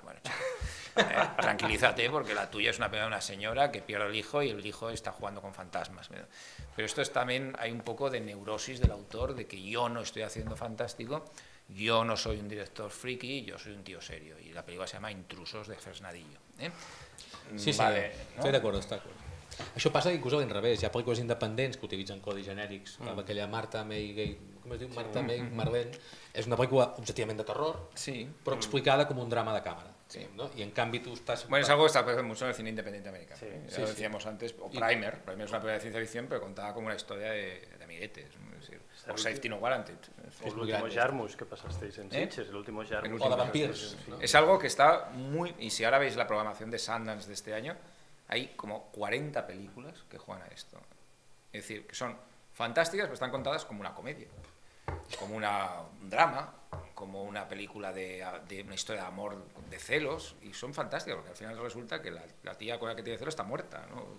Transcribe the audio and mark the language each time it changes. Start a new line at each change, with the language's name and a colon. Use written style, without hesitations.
Spanish: Bueno, tranquilízate, porque la tuya es una pena de una señora que pierde el hijo y el hijo está jugando con fantasmas. Pero esto es también, hay un poco de neurosis del autor, de que yo no estoy haciendo fantástico, yo no soy un director friki, yo soy un tío serio. Y la película se llama Intrusos, de Fresnadillo. Sí, sí, vale, ¿no? Estoy de acuerdo, estoy de acuerdo.
Catalan: Això passa inclús a l'inrevés, hi ha pel·lícules independents que utilitzen codis genèrics, amb aquella Martha May, com es diu? Martha May, Marlene, és una pel·lícula objectivament de terror, sí, però explicada com un drama de càmera. Sí. No? I en canvi tu estàs... Bueno, és algo que està passant molt en el cine independent americà. Sí. Ja sí, ho decíem sí. Antes, o Primer, Primer és una pel·lícula de ciència-ficció, però contava com una història de amiguetes. O Safety No Guaranteed. És l'últim Jarmusch que passasteix en Sitges, l'últim Jarmusch. O de Vampires. És algo que està muy... I si ara veis la programació de Sundance d'este any,
Spanish: hay como 40 películas que juegan a esto. Es decir, que son fantásticas, pero están contadas como una comedia, como un drama, como una película de una historia de amor, de celos, y son fantásticas, porque al final resulta que la tía con la que tiene celos está muerta, ¿no?